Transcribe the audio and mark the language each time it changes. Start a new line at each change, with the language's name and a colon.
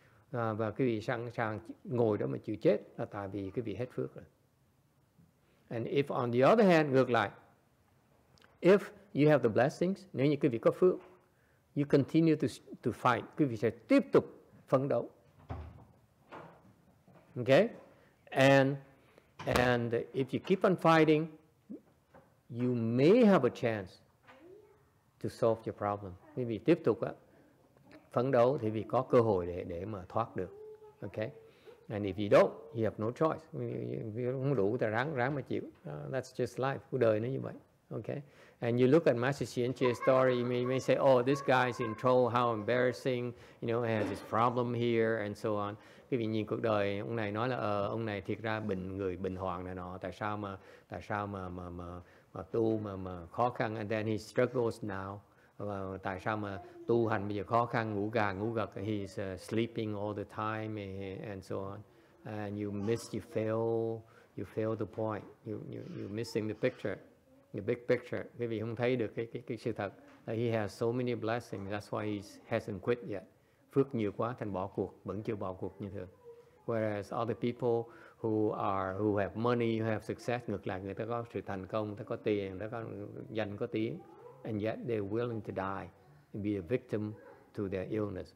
Vietnamese: Và quý vị sẵn sàng ngồi đó mà chịu chết là tại vì quý vị hết phước rồi.
English: And if on the other hand,
Vietnamese: ngược lại,
English: if you have the blessings,
Vietnamese: nếu như quý vị có phước,
English: you continue to fight,
Vietnamese: quý vị sẽ tiếp tục phấn đấu.
English: Okay? And if you keep on fighting, you may have a chance to solve your problem.
Vietnamese: Quý vị tiếp tục á, phấn đấu thì vì có cơ hội để mà thoát được.
English: Okay? And if you don't, you have no choice.
Vietnamese: Không đủ thì ráng mà chịu.
English: That's just life.
Vietnamese: Cuộc đời nó như vậy. Okay?
English: And you look at Master Xianqi's story, you may say, oh, this guy's in trouble, how embarrassing, you know, has this problem here, and so on.
Vietnamese: Cái vị nhìn cuộc đời, ông này nói là, ông này thiệt ra bệnh người bình hoàng này nọ, tại sao mà tu mà khó khăn,
English: and then he struggles now.
Vietnamese: Tại sao mà tu hành bây giờ khó khăn, ngủ gà ngủ gật,
English: he's sleeping all the time and so on, and you fail the point, you missing the picture, the big picture.
Vietnamese: Quý vị không thấy được cái sự thật
English: that he has so many blessings, that's why he hasn't quit yet.
Vietnamese: Phước nhiều quá thành bỏ cuộc, vẫn chưa bỏ cuộc như thường.
English: Whereas other people who have money, who have success,
Vietnamese: ngược lại người ta có sự thành công, ta có tiền, ta có danh, có tiếng,
English: and yet they're willing to die and be a victim to their illness.